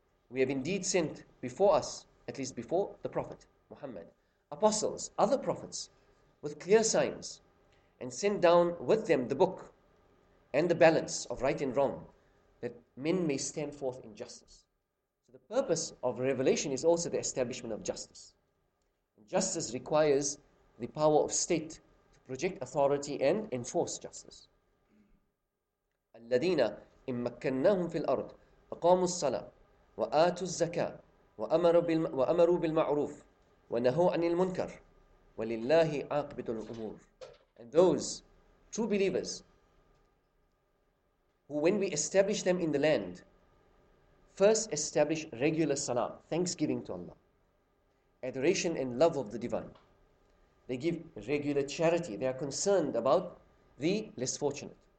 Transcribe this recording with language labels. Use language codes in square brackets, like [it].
[en] We have indeed sent before us, at least before the Prophet Muhammad, apostles, other prophets, with clear signs, and sent down with them the book and the balance of right and wrong, that men may stand forth in justice. So the purpose of revelation is also the establishment of justice. Justice requires the power of state to project authority and enforce justice. [ar] الَّذِينَ إِن مَكَّنَّاهُمْ فِي الْأَرْضِ أَقَامُوا الصَّلَاةِ وآتوا الزكاة وأمروا بالمعروف ونهوا عن المنكر ولله عاقبة الأمور. [en] And those true believers who, when we establish them in the land, first establish regular salah, thanksgiving to Allah, adoration and love of the divine. They give regular charity. They are concerned about the less fortunate.